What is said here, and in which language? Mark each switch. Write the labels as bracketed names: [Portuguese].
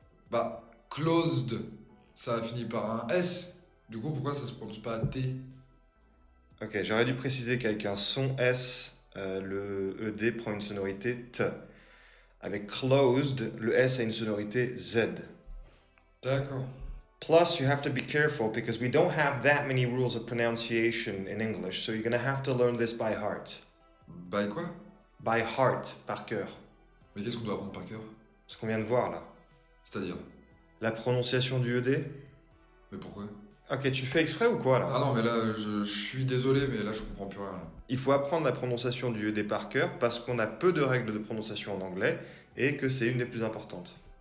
[French] Bah, closed, ça a fini par un S. Du coup, pourquoi ça se prononce pas T? Ok, j'aurais dû préciser qu'avec un son S, le ED prend une sonorité T. Avec closed, le S a une sonorité Z. D'accord. [English] Plus, you have to be careful because we don't have that many rules of pronunciation in English, so you're gonna have to learn this by heart. By [French] quoi? [English] By heart, [French] par cœur. Mais qu'est-ce qu'on doit apprendre par cœur? Ce qu'on vient de voir là. C'est-à-dire? La prononciation du ED. Mais pourquoi? Ok, tu fais exprès ou quoi là? Ah non, mais là, je suis désolé, mais là, je comprends plus rien. Il faut apprendre la prononciation du ED par cœur parce qu'on a peu de règles de prononciation en anglais et que c'est une des plus importantes.